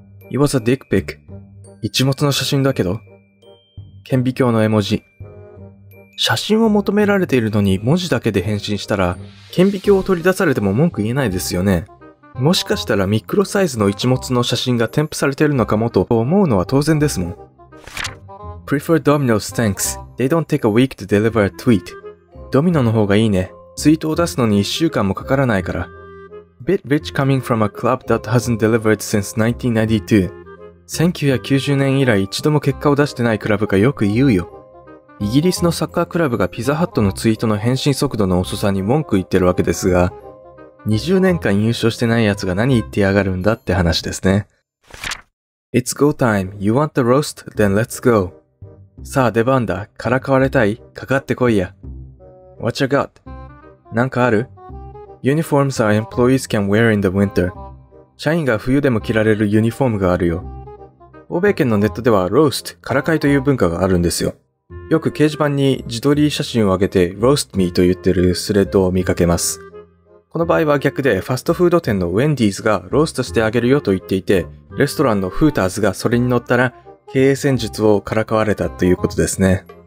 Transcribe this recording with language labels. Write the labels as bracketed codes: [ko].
[en] It was a dick pic. [ja] 一物の写真だけど。顕微鏡の絵文字。写真を求められているのに文字だけで返信したら、顕微鏡を取り出されても文句言えないですよね。もしかしたらミクロサイズの一物の写真が添付されているのかもと思うのは当然ですもん。 [en] Prefer Domino's thanks. They don't take a week to deliver a tweet. [ja] ドミノの方がいいね。ツイートを出すのに1週間もかからないから。 [en] Bit rich coming from a club that hasn't delivered since 1992. [ja] 1990年以来一度も結果を出してないクラブがよく言うよ。イギリスのサッカークラブがピザハットのツイートの返信速度の遅さに文句言ってるわけですが、20年間優勝してない奴が何言ってやがるんだって話ですね。 [en] It's go time. You want the roast? Then let's go. [ja] さあ出番だ。からかわれたい?かかってこいや。 [en] What you got? [ja] なんかある? [en] Uniforms are employees can wear in the winter. [ja] 社員が冬でも着られるユニフォームがあるよ。欧米圏のネットではロースト、からかいという文化があるんですよ。よく掲示板に自撮り写真を上げて Roast Me と言ってるスレッドを見かけます。この場合は逆でファストフード店の Wendy's がローストしてあげるよと言っていて、レストランのフーターズがそれに乗ったら経営戦術をからかわれたということですね。